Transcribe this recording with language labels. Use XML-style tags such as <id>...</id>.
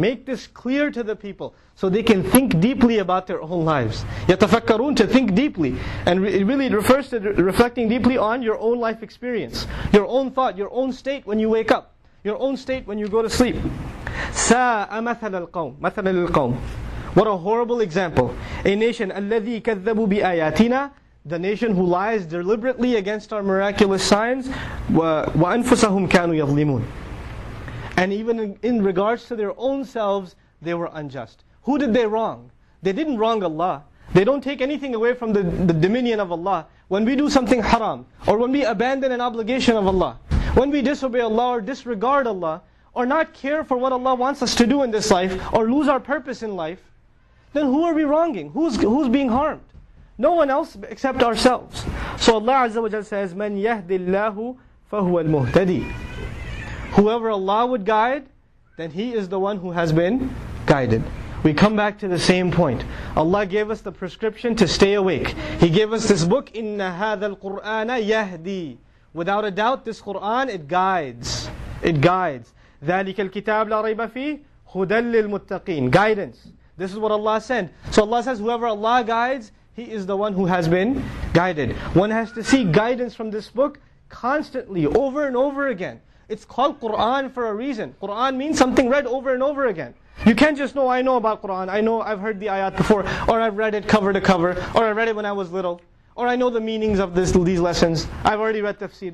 <en>Make this clear to the people, so they can think deeply about their own lives. يَتَفَكَّرُونَ, to think deeply. And really it refers to reflecting deeply on your own life experience, your own thought, your own state when you wake up, your own state when you go to sleep.</en> <ar>سَاءَ مَثَلَ الْقَوْمِ. مَثَلَ الْقَوْمِ.</ar> <en>What a horrible example. A nation,</en> <ar>الَّذِي كَذَّبُوا بِآيَاتِنَا.</ar> <en>The nation who lies deliberately against our miraculous signs.</en> <ar>وَأَنفُسَهُمْ كَانُوا يَظْلِمُونَ.</ar> <en>And even in regards to their own selves, they were unjust. Who did they wrong? They didn't wrong Allah. They don't take anything away from the dominion of Allah. When we do something haram, or when we abandon an obligation of Allah, when we disobey Allah or disregard Allah, or not care for what Allah wants us to do in this life, or lose our purpose in life, then who are we wronging? Who's being harmed? No one else except ourselves. So Allah Azza wa Jalla says,</en> <ar>مَنْ يَهْدِ اللَّهُ فَهُوَ الْمُهْتَدِي.</ar> <en>Whoever Allah would guide, then he is the one who has been guided. We come back to the same point. Allah gave us the prescription to stay awake. He gave us this book,</en> <ar>إِنَّ هَذَا الْقُرْآنَ يَهْدِي.</ar> <en>Without a doubt, this Qur'an, it guides.</en> <ar>ذَلِكَ الْكِتَابُ لَا رَيْبَ فِيهِ هُدَلْ لِلْمُتَّقِينَ</ar> <en>Guidance. This is what Allah sent. So Allah says, whoever Allah guides, He is the one who has been guided. One has to seek guidance from this book constantly, over and over again. It's called Qur'an for a reason. Qur'an means something read over and over again. You can't just know, I know about Qur'an, I know I've heard the ayat before, or I've read it cover to cover, or I read it when I was little, or I know the meanings of these lessons, I've already read tafsir.</en>